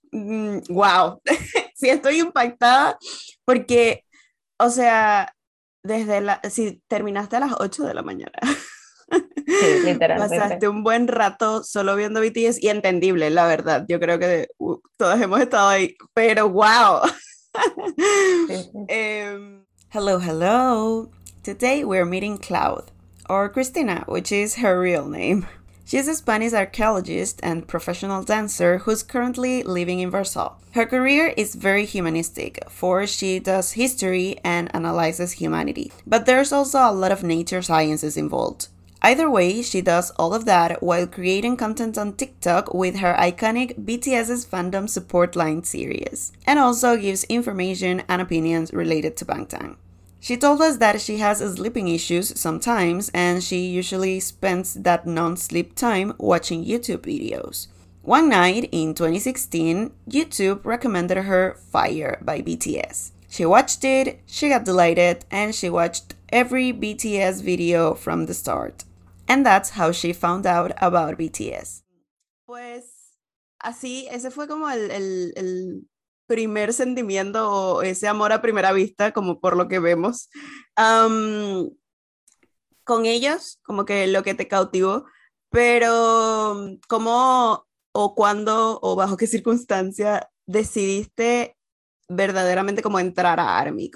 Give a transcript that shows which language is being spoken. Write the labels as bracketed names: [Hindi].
[Spanish] Wow, sí estoy impactada porque, o sea, desde la, si terminaste a las 8 de la mañana, sí, literalmente. Pasaste un buen rato solo viendo BTS y entendible, la verdad. Yo creo que todos hemos estado ahí, pero wow. [English] Hello, hello. Today we're meeting Cloud, or Cristina, which is her real name. She's a Spanish archaeologist and professional dancer who's currently living in Warsaw. Her career is very humanistic, for she does history and analyzes humanity. But there's also a lot of nature sciences involved. Either way, she does all of that while creating content on TikTok with her iconic BTS's fandom support line series, and also gives information and opinions related to Bangtan. She told us that she has sleeping issues sometimes, and she usually spends that non-sleep time watching YouTube videos. One night in 2016, YouTube recommended her Fire by BTS. She watched it, she got delighted, and she watched every BTS video from the start. And that's how she found out about BTS. [Spanish] Pues, así, ese fue como el primer sentimiento o ese amor a primera vista, como por lo que vemos. Con ellos, como que lo que te cautivó, pero ¿cómo o cuándo o bajo qué circunstancia decidiste verdaderamente como entrar a ARMY?